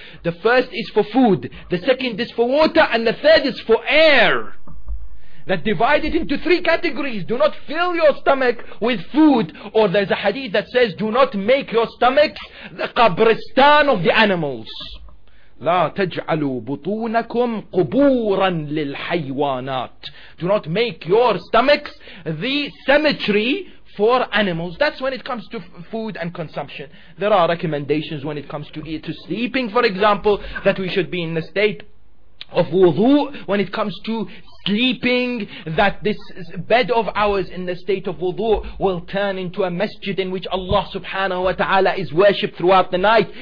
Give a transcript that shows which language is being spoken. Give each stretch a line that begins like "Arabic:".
English: The first is for food, the second is for water, and the third is for air. That divide it into three categories. Do not fill your stomach with food. Or there's a hadith that says, do not make your stomach the qabristan of the animals.
Arabic: لا تجعلوا بطونكم قبورا للحيوانات.
English: Do not make your stomachs the cemetery for animals. That's when it comes to food and consumption. There are recommendations when it comes to eat, to sleeping, for example, that we should be in the state of wudu. When it comes to sleeping, that this bed of ours in the state of wudu will turn into a masjid in which Allah subhanahu wa ta'ala is worshipped throughout the night.